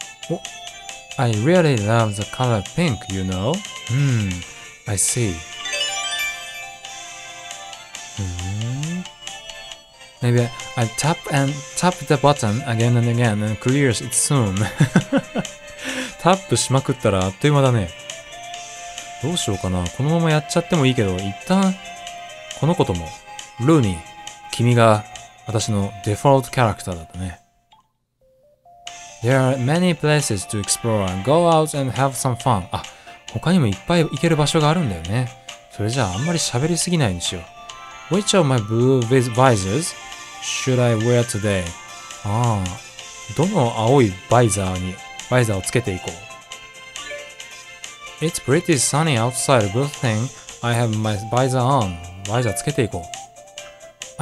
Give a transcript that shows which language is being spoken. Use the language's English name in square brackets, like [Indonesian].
[English] Oh, I really love the color pink, you know? Hmm, I see. Maybe I tap the button again and again and clears it soon. [Japanese] タップしまくったらあっという間だね。どうしようかな。このままやっちゃってもいいけど、一旦、このことも。ルーニー、君が私のデフォルトキャラクターだったね。 [English] There are many places to explore. Go out and have some fun. [Japanese] あ、他にもいっぱい行ける場所があるんだよね。それじゃああんまり喋りすぎないにしよう。 [English] Which of my blue visors should I wear today? [Japanese] ああ、どの青いバイザーをつけていこう。 [English] It's pretty sunny outside. Good thing I have my visor on. [Japanese] バイザーつけていこう。